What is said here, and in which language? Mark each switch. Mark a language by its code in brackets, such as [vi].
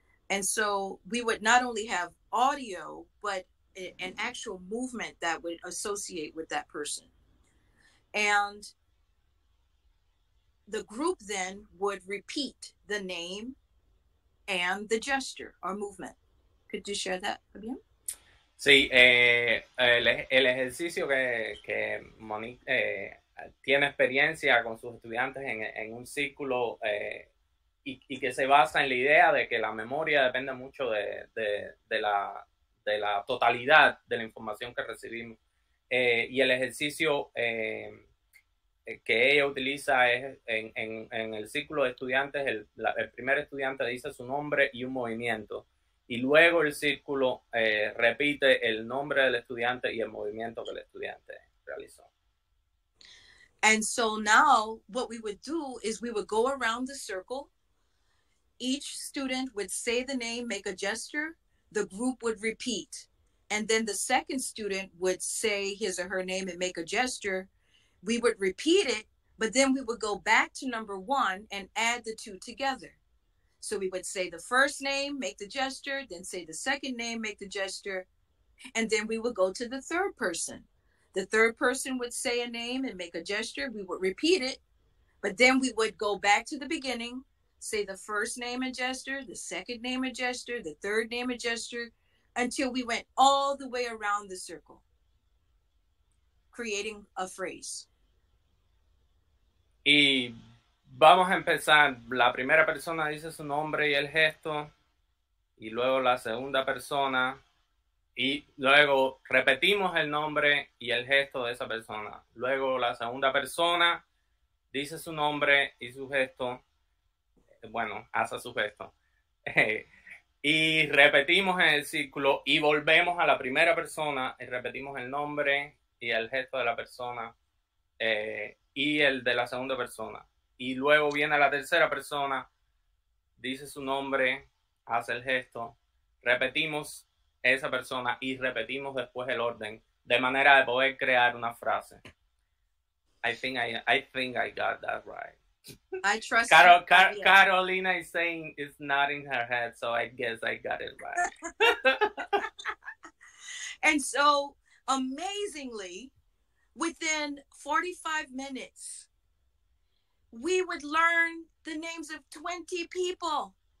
[en] And so we would not only have audio, but an actual movement that would associate with that person. And the group then would repeat the name and the gesture or movement. Could you share that, Fabian? [es] Sí, el ejercicio que Monique tiene experiencia con sus estudiantes en un círculo y que se basa en la idea de que la memoria depende mucho de la totalidad de la información que recibimos. Y el ejercicio que ella utiliza es en el círculo de estudiantes, el primer estudiante dice su nombre y un movimiento. Y luego el círculo repite el nombre del estudiante y el movimiento que el estudiante realizó. [en] And so now what we would do is we would go around the circle. Each student would say the name, make a gesture. The group would repeat. And then the second student would say his or her name and make a gesture. We would repeat it, but then we would go back to number one and add the two together. So we would say the first name, make the gesture, then say the second name, make the gesture. And then we would go to the third person. The third person would say a name and make a gesture. We would repeat it, but then we would go back to the beginning, say the first name and gesture, the second name and gesture, the third name and gesture, until we went all the way around the circle, creating a phrase. [es] Y vamos a empezar. La primera persona dice su nombre y el gesto, y luego la segunda persona, y luego repetimos el nombre y el gesto de esa persona. Luego la segunda persona dice su nombre y su gesto. Bueno, hace su gesto. Y repetimos en el círculo y volvemos a la primera persona y repetimos el nombre y el gesto de la persona y el de la segunda persona. Y luego viene la tercera persona, dice su nombre, hace el gesto, repetimos esa persona y repetimos después el orden de manera de poder crear una frase. [en] I think I got that right. I trust Carol, you. Carolina is saying it's not in her head, so I guess I got it right. And so, amazingly, within 45 minutes, we would learn the names of 20 people.